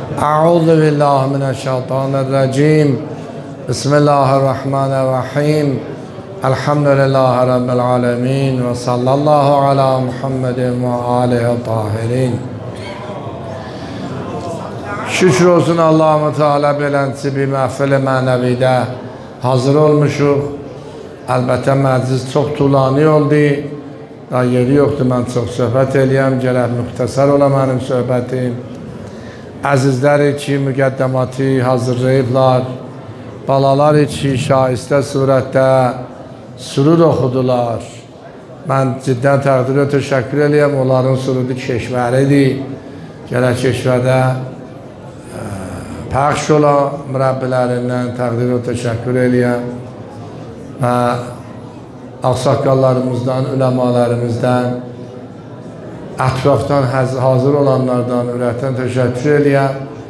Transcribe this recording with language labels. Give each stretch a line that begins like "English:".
Arabic: أعوذ بالله من الشيطان الرجيم. بسم الله الرحمن الرحيم. الحمد لله رب العالمين، وصلى الله على محمد وآله الطاهرين.
Azerbaijani: Şükür olsun Allah-u Teala bilənsi bir məhfili mənəvidə hazır olmuşuq. Əlbəttə məclis çox tulani oldu. Daha yeri yoxdur, mən çox söhbət edəyəm. Gələb müxtəsər ola mənim söhbətim. Əzizlər iki müqəddəmatı hazırlayıblar. Balalar iki şahistə surətdə sürüd oxudular. Mən ciddən təqdirə təşəkkür edəyəm. Onların sürüdü Keşvəridir. Gələk Keşvədə pəxş ola mürəbbilərindən təqdir və təşəkkür eləyəm və aqsaqqallarımızdan, üləmalarımızdan, ətrafdan hazır olanlardan ürəkdən təşəkkür eləyəm.